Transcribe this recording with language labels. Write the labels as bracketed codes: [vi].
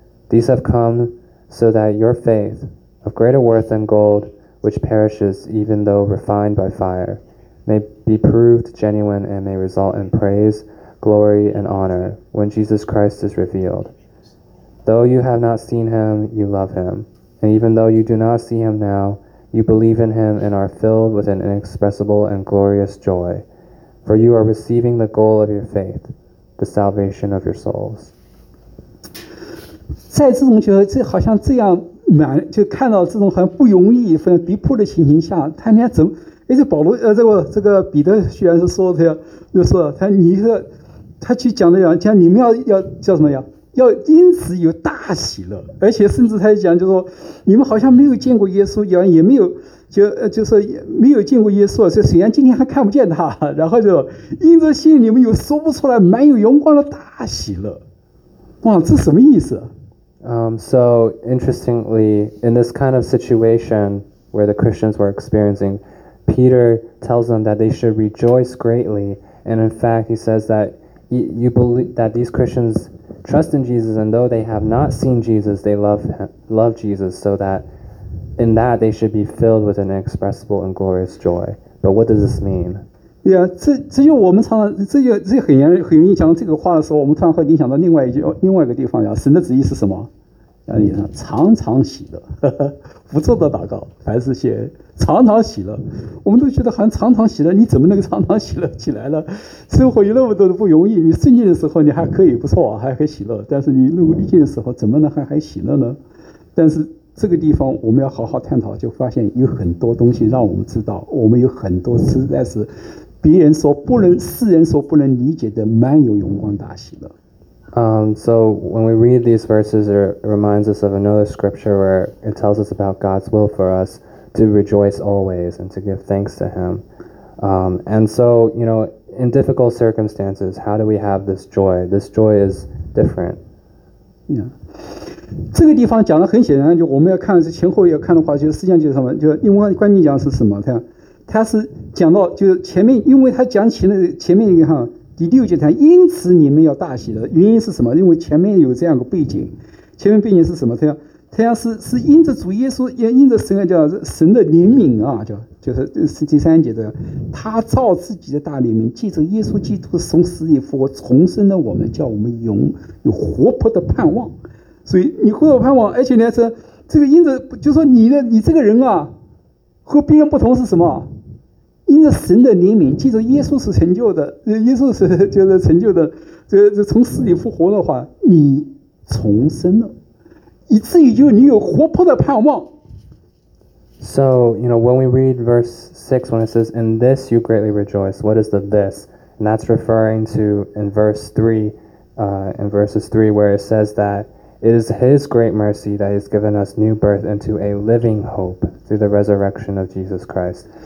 [en] These have come so that your faith, of greater worth than gold, which perishes even though refined by fire, may be proved genuine and may result in praise, glory, and honor when Jesus Christ is revealed. Though you have not seen him, you love him. And even though you do not see him now, you believe in him and are filled with an inexpressible and glorious joy, for you are receiving the goal of your faith, the salvation of your souls. [zh] 在这种就是好像这样满，就看到这种很不容易、非常逼迫的情形下，他们怎么？而且保罗，这个彼得虽然是说的，就是他你是他去讲的讲，像你们要叫什么呀？要因此有大喜乐，而且甚至他讲就是说，你们好像没有见过耶稣一样，也没有就是没有见过耶稣，所以虽然今天还看不见他，然后就因着信你们有说不出来满有荣光的大喜乐，哇，这什么意思？ [en] So interestingly, in this kind of situation where the Christians were experiencing, Peter tells them that they should rejoice greatly, and in fact he says that you believe that these Christians trust in Jesus, and though they have not seen Jesus, they love Jesus, so that in that they should be filled with an inexpressible and glorious joy. But what does this mean? [zh] Yeah, 这就我们常常这很严很容易讲这个话的时候，我们突然会联想到另外一个地方呀。神的旨意是什么？常常喜乐，不住的祷告，凡事谢恩，常常喜乐。我们都觉得好像常常喜乐，你怎么能够常常喜乐起来了？生活有那么多的不容易，你顺境的时候你还可以不错，还可以喜乐。但是你路逆境的时候，怎么能还喜乐呢？但是这个地方我们要好好探讨，就发现有很多东西让我们知道，我们有很多实在是别人所不能、世人所不能理解的满有荣光大喜乐。 [en] So when we read these verses, it reminds us of another scripture where it tells us about God's will for us to rejoice always and to give thanks to Him. And so, you know, in difficult circumstances, how do we have this joy? This joy is different. Yeah. [zh] 这个地方讲的很显然，就我们要看是前后要看的话，就实际上就是什么？就因为关键讲是什么？他是讲到就是前面，因为他讲起了前面一个哈。第六节谈，因此你们要大喜的原因是什么？因为前面有这样个背景，前面背景是什么？他要是因着主耶稣，也因着神啊，叫神的怜悯啊，就是第三节的，他照自己的大怜悯，借着耶稣基督从死里复活，重生了我们，叫我们有活泼的盼望。所以你会有盼望，而且呢是这个因着，就说你这个人啊，和别人不同是什么？因着神的怜悯，记住耶稣是成就的，耶稣是就是成就的，就从死里复活的话，你重生了，以至于就你有活泼的盼望。 [en] So you know when we read verse 6 when it says in this you greatly rejoice, what is the this? And that's referring to in verse 3, in verses 3 where it says that it is His great mercy that has given us new birth into a living hope through the resurrection of Jesus Christ.